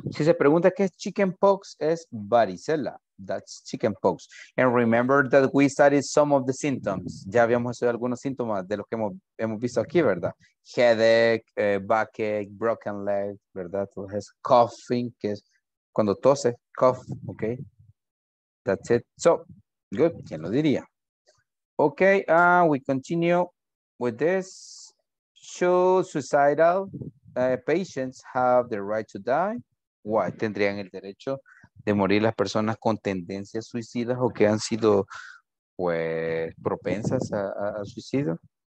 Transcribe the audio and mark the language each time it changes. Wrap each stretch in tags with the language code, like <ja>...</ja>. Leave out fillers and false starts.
<es>Si se pregunta qué es chicken pox, es varicela.</es> <en>That's chicken pox. And remember that we studied some of the symptoms.</en> <es>Ya habíamos estudiado algunos síntomas de los que hemos visto aquí, ¿verdad?</es> <en>Headache, backache, broken leg, ¿verdad?</en> <es>Entonces, coughing, que es cuando tose, cough, okay.</es> <en>That's it. So, good.</en> <es>¿Quién lo diría?</es> <en>Okay, we continue with this. Should suicidal patients have the right to die? Why?</en> <es>¿Tendrían el derecho de morir las personas con tendencias suicidas o que han sido pues propensas a suicidio?</es>